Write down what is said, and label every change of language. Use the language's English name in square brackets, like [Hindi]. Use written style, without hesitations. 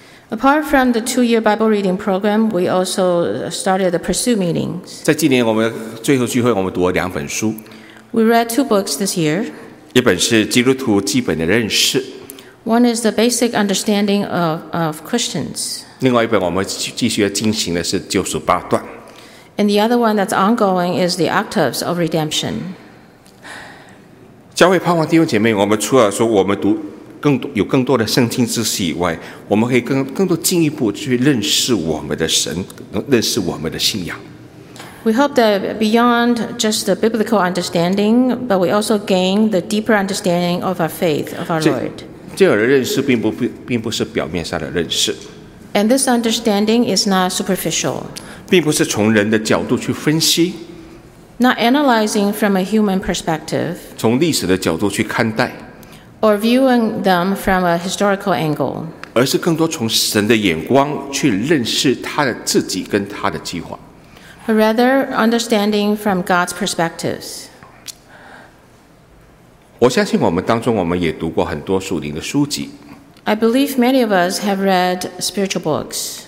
[English] Apart from the two-year Bible reading program, we also started the pursue meetings. [Chinese] 在今年我们追求聚会，我们读了两本书。 [English] We read two books this year. [Chinese] 一本是基督徒基本的认识。 [English] One is the basic understanding of Christians. [Chinese] 另外一本我们继续进行的是九十八段。 [English] And the other one that's ongoing is the octaves of redemption. [Chinese] 教会盼望弟兄姐妹，我们除了说我们读更多有更多的圣经知识以外，我们可以更多进一步去认识我们的神，认识我们的信仰。 [English] We hope that beyond just the biblical understanding, but we also gain the deeper understanding of our faith of our Lord. [Chinese] 这样的认识并不是表面上的认识。 [English] And this understanding is not superficial. [Chinese] 并不是从人的角度去分析。 [English] Not analyzing from a human perspective. [Chinese] 从历史的角度去看待。 [English] Or viewing them from a historical angle. [Chinese] 而是更多从神的眼光去认识他的自己跟他的计划。 [English] But rather understanding from God's perspectives. [Chinese] 我相信我们当中我们也读过很多属灵的书籍。 [English] I believe many of us have read spiritual books.